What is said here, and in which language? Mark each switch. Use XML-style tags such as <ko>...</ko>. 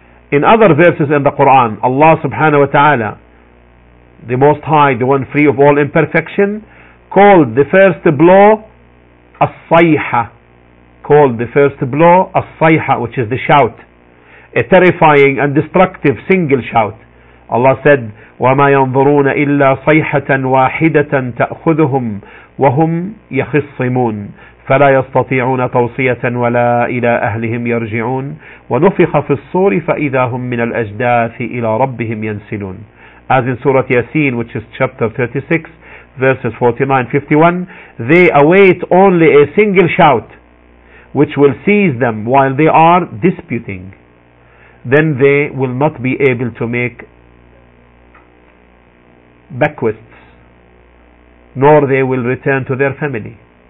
<en>In other verses in the Quran, Allah subhanahu wa ta'ala, the Most High, the One free of all imperfection, called the first blow as-sayha, called the first blow as-sayha, which is the shout, a terrifying and destructive single shout. Allah said,</en> <ar>وَمَا يَنظُرُونَ إِلَّا صَيْحَةً وَاحِدَةً تَأْخُذُهُمْ وَهُمْ يَخِصِّمُونَ فلا يستطيعون توصية ولا إلى أهلهم يرجعون ونفخ في الصور فإذا هم من الأجداث إلى ربهم ينسلون.</ar> <en>As in Surah Yasin, which is chapter 36, verses 49-51, they await only a single shout, which will seize them while they are disputing. Then they will not be able to make bequests, nor they will return to their family.</en>